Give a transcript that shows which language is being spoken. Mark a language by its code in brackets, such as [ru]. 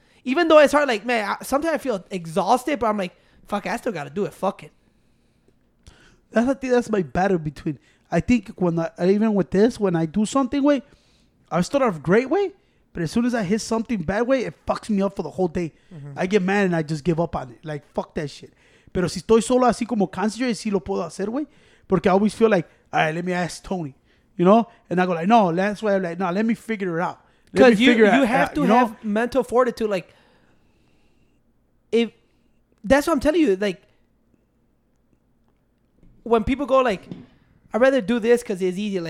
[en] Even though it's hard, like, man, sometimes I feel exhausted, but I'm like, fuck, I still got to do it. Fuck it. That's, I think that's my battle between. I think when when I do something way, I start off great way, but as soon as I hit something bad way, it fucks me up for the whole day. Mm-hmm. I get mad and I just give up on it. Like, fuck that shit. [es] Pero si estoy solo así como concentrated, sí lo puedo hacer, güey. [en] Porque I always feel like, all right, let me ask Tony, you know? And I go like, no, that's why I'm like, no, let me figure it out. Because you have to have mental fortitude. Like, if that's what I'm telling you. Like, when people go like, I'd rather do this because it's easy.